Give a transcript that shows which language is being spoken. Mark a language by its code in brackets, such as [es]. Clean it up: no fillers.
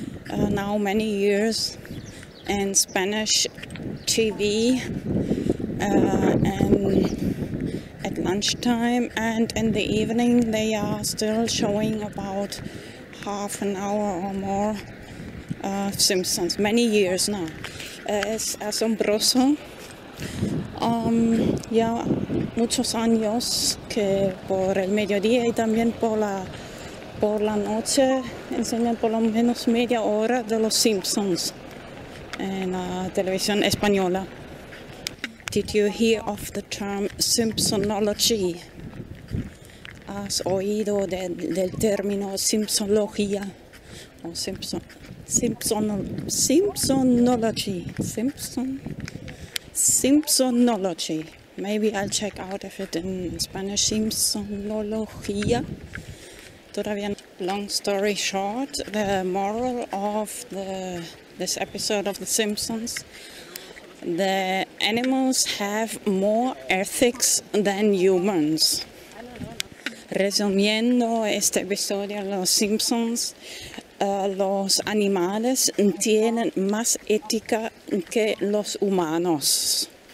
[en] Now many years in Spanish TV and at lunchtime and in the evening they are still showing about half an hour or more Simpsons, many years now. [es] Es asombroso. Ya muchos años que por el mediodía y también por la noche enseñan por lo menos media hora de los Simpsons en la televisión española. [en] Did you hear of the term Simpsonology? [es] ¿Has oído del término Simpsonología? [en] or Simpsonology. Maybe I'll check out if it in Spanish, Simpsonología. Todavía. Long story short, the moral of this episode of The Simpsons, the animals have more ethics than humans. [es] Resumiendo este episodio, Los Simpsons, los animales tienen más ética que los humanos.